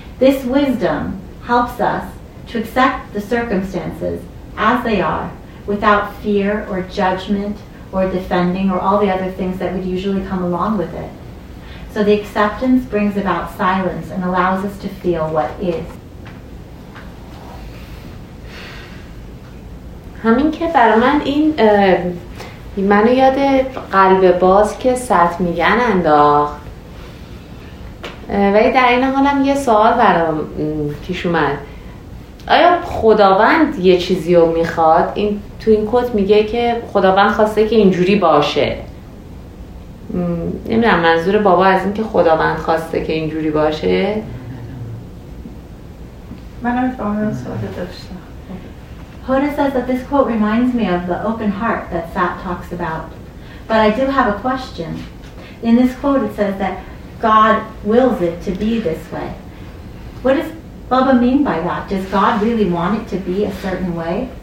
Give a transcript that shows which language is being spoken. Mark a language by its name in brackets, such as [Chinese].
[English] This wisdom helps us to accept the circumstances as they are, without fear or judgment or defending or all the other things that would usually come along with it. So the acceptance brings about silence and allows us to feel what is. [Persian] همین که برای من این منو یاد قلب باز که سطح میگن انداخت، ولی در این حال هم یه سوال برام پیش اومد. آیا خداوند یه چیزی رو میخواد؟ این تو این کد میگه که خداوند خواسته که اینجوری باشه. نمیدونم منظور بابا از این که خداوند خواسته که اینجوری باشه. [English] Hoda says that this quote reminds me of the open heart that Sat talks about. But I do have a question. In this quote it says that God wills it to be this way. What does Baba mean by that? Does God really want it to be a certain way?